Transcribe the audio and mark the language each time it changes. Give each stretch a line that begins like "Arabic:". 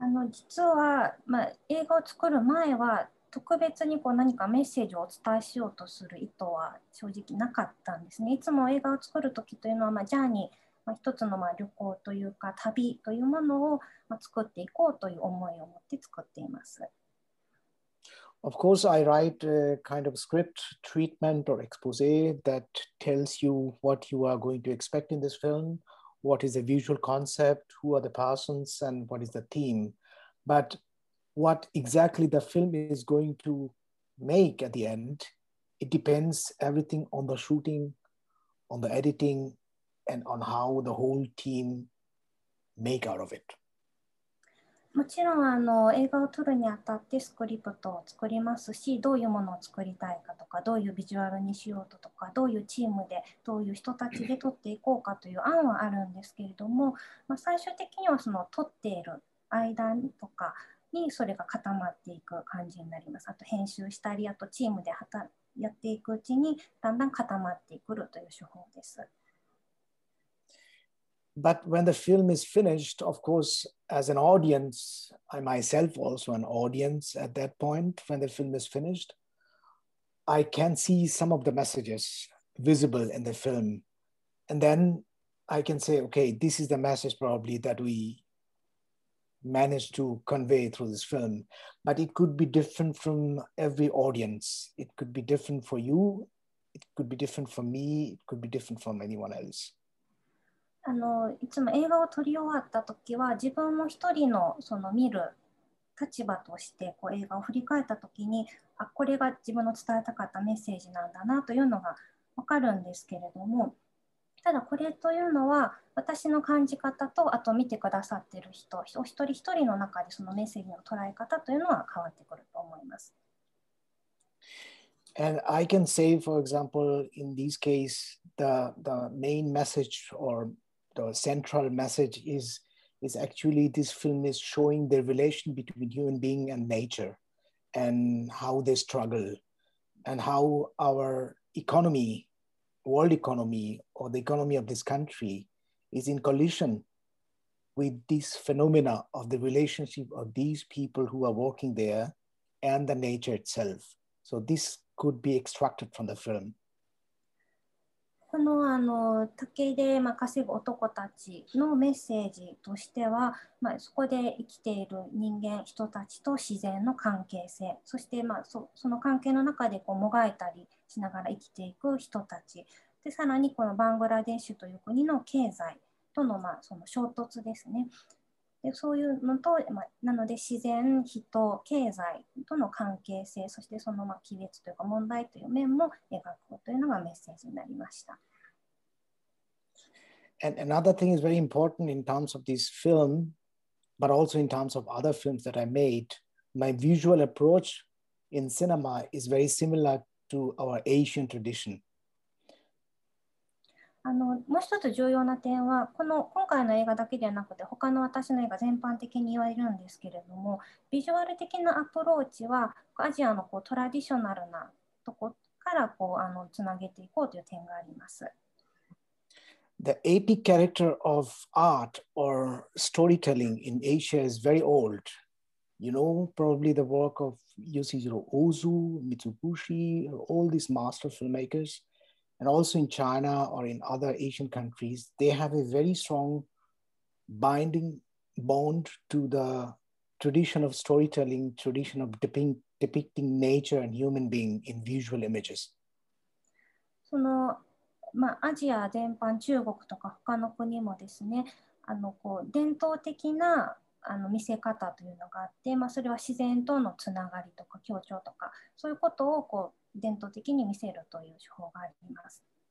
Japanese: 実は、まあ、映画を作る前は特別にこう何かメッセージをお伝えしようとする意図は正直なかったんですね。いつも映画を作る時というのは、まあ、ジャーニー、まあ、一つのまあ旅行というか旅というものを、まあ、作っていこうという思いを持って作っています。
English: Of course, I write a kind of script treatment or expose that tells you what you are going to expect in this film, what is the visual concept, who are the persons, and what is the theme. But what exactly the film is going to make at the end, it depends everything on the shooting, on the editing, and on how the whole team make out of it.
Japanese: もちろんあの映画を撮るにあたってスクリプトを作りますし、どういうものを作りたいかとか、どういうビジュアルにしようととか、どういうチームで、どういう人たちで撮っていこうかという案はあるんですけれども、まあ、最終的にはその撮っている間とかにそれが固まっていく感じになります。あと編集したり、あとチームでやっていくうちにだんだん固まってくるという手法です。
English: But when the film is finished, of course, as an audience, I myself also an audience at that point, when the film is finished, I can see some of the messages visible in the film. And then I can say, okay, this is the message probably that we managed to convey through this film. But it could be different from every audience. It could be different for you. It could be different for me. It could be different from anyone else.
Japanese: あのいつも映画を撮り終わった時は自分も一人 の, その見る立場としてこう映画を振り返った時にあこれが自分の伝えたかったメッセージなんだなというのが分かるんですけれどもただこれというのは私の感じ方とあと見てくださってる人お一人一人の中でそのメッセージの捉え方というのは変わってくると思います
English: And I can say for example in this case the main message orThe central message is actually this film is showing the relation between human being and nature and how they struggle and how our economy, world economy or the economy of this country is in collision with this phenomena of the relationship of these people who are working there and the nature itself. So this could be extracted from the film.
Japanese: この、 あの竹で、まあ、稼ぐ男たちのメッセージとしては、まあ、そこで生きている人間、人たちと自然の関係性、そして、まあ、その関係の中でこうもがいたりしながら生きていく人たち、でさらにこのバングラデシュという国の経済と の,、まあ、その衝突ですね。でそういうのと、まあ、なので自然、人、経済との関係性、そしてその、まあ、亀裂というか問題という面も描くというのがメッセージになりました。
English: And another thing is very important in terms of this film, but also in terms of other films that I made, my visual approach in cinema is very similar to our Asian tradition.
Japanese: あのもう一つ重要な点はこの今回の映画だけではなくて他の私の映画全般的に言われるんですけれどもビジュアル的なアプローチはアジアのこうトラディショナルなとこからこうあのつなげていこうという点があります
English: The epic character of art or storytelling in Asia is very old You know, probably the work of Yoshihiro Ozu, Mitsubishi, all these master filmmakersAnd also in China or in other Asian countries, they have a very strong binding bond to the tradition of storytelling, tradition of depicting nature and human being in visual images.
Japanese: その、まあ、アジア全般、中国とか他の国もですね、あのこう伝統的なあの見せ方というのがあって、まあ、それは自然とのつながりとか協調とか、そういうことをこう伝統的に見せるという手法があります。